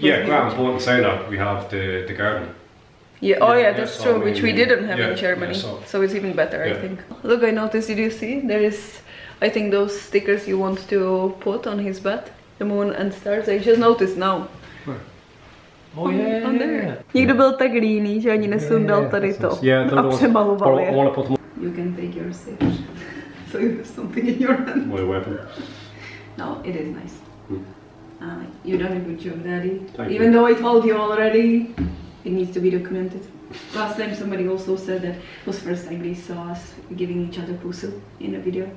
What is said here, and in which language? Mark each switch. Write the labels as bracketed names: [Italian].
[English] Yeah, ground important to say that we have the garden. Yeah, that's true, which we didn't have in Germany. Yeah, so it's even better, yeah. I think. Look, I noticed, did you see? There is, I think, those stickers you want to put on his bed, the moon and stars. I just noticed now. Oh yeah. [Czech] Někdo byl tak líný, že ani nesundal tady to a přemaloval je. [English] I want to put you can take your stickers. So you have something in your hand. My weapon. No, it is nice. You done a good job, Daddy. Even though I told you already, it needs to be documented. Last time somebody also said that it was first time they saw us giving each other pusu in a video.